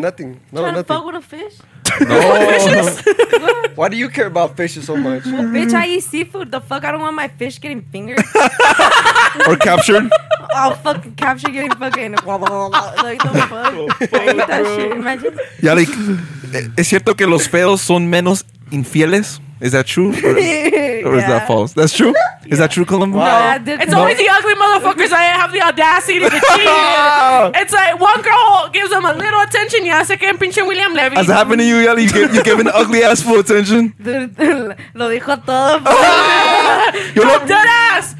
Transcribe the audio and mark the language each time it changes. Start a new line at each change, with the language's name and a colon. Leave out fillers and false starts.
English: Nothing. No, trying nothing. To fuck with a fish? No. Why do you care about fishes so much? Well, bitch, I eat seafood. The fuck? I don't want my fish getting fingered. Or captured? I'll fucking capture getting fucking. Blah, blah, blah, blah. Like, the fuck? I eat that shit. Imagine. Yeah, like,
Spanish: ¿es cierto que los feos son menos infieles?
English: Is that true? Or yeah. Is that false? That's true? Yeah. Is that true, Columbo? Wow. It's only the ugly motherfuckers that have the audacity to cheat. It's like one girl gives them a little attention. Yeah, second pinche William Levy. Has it happened to you, Yali? You give an ugly ass full attention?
Spanish: Lo dijo todo.
English: Dead ass.